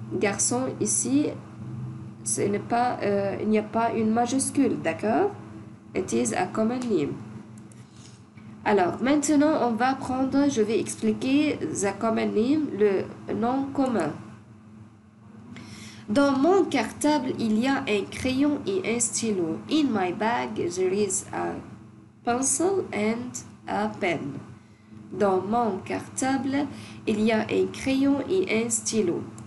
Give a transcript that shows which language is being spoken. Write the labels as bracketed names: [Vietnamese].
[French] Garçon, ici, ce n'est pas, il n'y a pas une majuscule. D'accord? [English] It is a common name. [French] Alors, maintenant, on va prendre, je vais expliquer [English] the common name, [French] le nom commun. Dans mon cartable, il y a un crayon et un stylo. [English] In my bag, there is a pencil and a pen. [French] Dans mon cartable, il y a un crayon et un stylo.